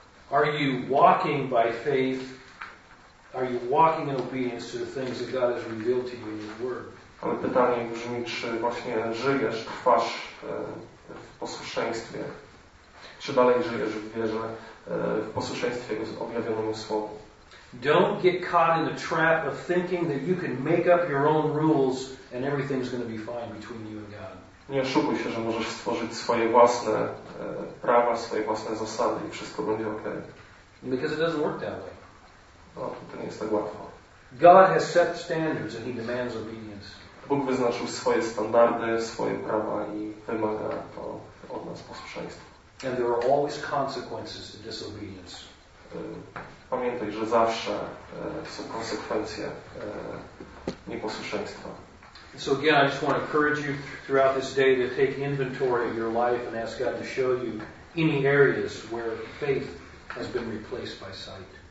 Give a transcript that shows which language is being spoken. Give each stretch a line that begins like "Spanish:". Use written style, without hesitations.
English: Are you walking by faith? Are you walking in obedience to the things that God has revealed to you in His Word?
Polish: Ale pytanie brzmi, czy właśnie żyjesz, trwasz w posłuszeństwie? Czy dalej żyjesz w wierze, w posłuszeństwie objawionemu słowu?
English: Don't get caught in the trap of thinking that you can make up your own rules and everything's going to be fine between you and God.
Polish: Nie oszukuj się, że możesz stworzyć swoje własne prawa, swoje własne zasady i wszystko będzie okej.
English: Because it doesn't work that way.
Polish: No, to nie jest tak łatwo.
English: God has set standards and He demands obedience.
Polish: Bóg wyznaczył swoje standardy, swoje prawa i wymaga to od nas posłuszeństwa.
English: And there are always consequences to disobedience.
Polish: Pamiętaj, że zawsze są konsekwencje nieposłuszeństwa.
English: So again, I just want to encourage you throughout this day to take inventory of your life and ask God to show you any areas where faith has been replaced by sight.